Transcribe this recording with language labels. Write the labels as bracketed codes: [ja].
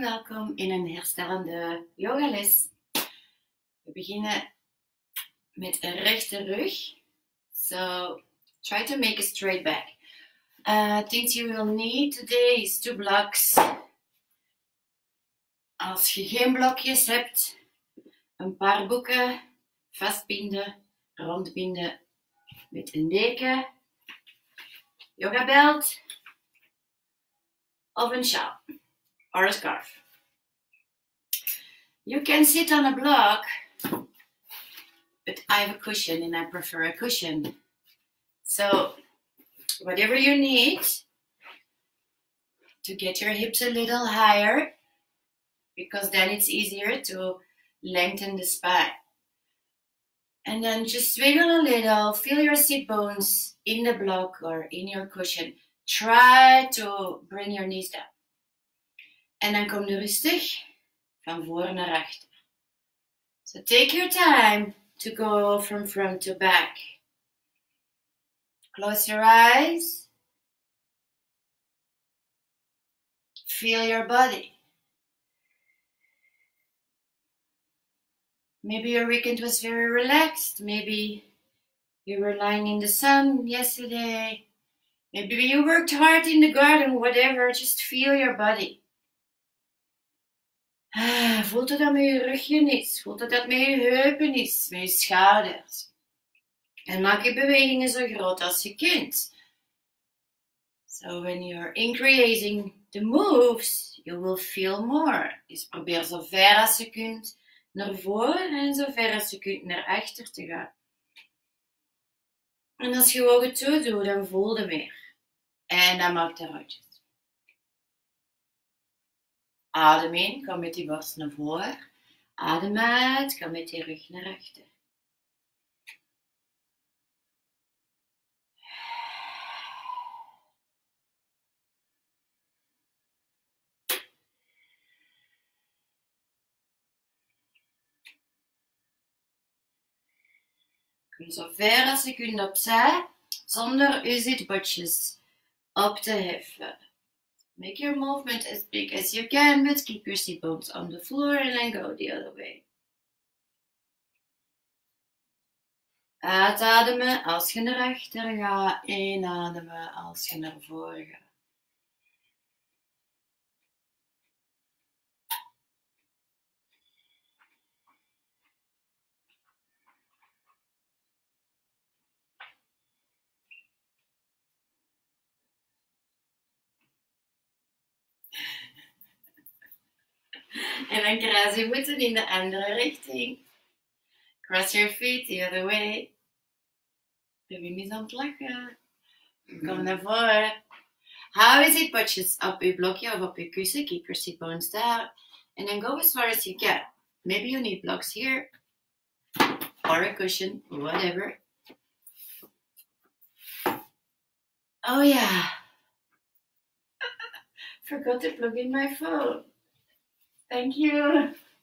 [nl] Welkom in een herstellende yogales. We beginnen met een rechte rug. [en] So, try to make a straight back. Things you will need today is two blocks. [nl] Als je geen blokjes hebt, een paar boeken vastbinden, rondbinden met een deken, yoga belt of een sjaal [en] or a scarf. You can sit on a block, but I have a cushion and I prefer a cushion. So whatever you need to get your hips a little higher, because then it's easier to lengthen the spine. And then just swiggle a little, feel your sit bones in the block or in your cushion. Try to bring your knees down. And then come [nl] rustig van voor naar achter. [en] So take your time to go from front to back. Close your eyes. Feel your body. Maybe your weekend was very relaxed. Maybe you were lying in the sun yesterday. Maybe you worked hard in the garden, whatever. Just feel your body. [nl] Voelt het dat met je rugje is? Voelt het dat met je heupen is? Met je schouders? En maak je bewegingen zo groot als je kunt. [en] So when you're increasing the moves, you will feel more. [nl] Dus probeer zo ver als je kunt naar voren en zo ver als je kunt naar achter te gaan. En als je ogen toe doet, dan voel je meer. En dan maak de rondjes. Adem in, kom met die borst naar voren. Adem uit, kom met die rug naar achter. Zo ver als je kunt opzij, zonder je zitbotjes op te heffen. [en] Make your movement as big as you can, but keep your seat bones on the floor and then go the other way. [nl] Uitademen als je naar achter gaat, inademen als je naar voren gaat. En dan kruis je voeten in de andere richting. [en] Cross your feet the other way. [nl] De wim is aan het lachen. Kom naar voren. Hou je zitbotjes op je blokje of op je kussen. [en] Keep your sit bones down. And then go as far as you can. Maybe you need blocks here. Or a cushion. Whatever. Oh yeah. Forgot to plug in my phone. Thank you.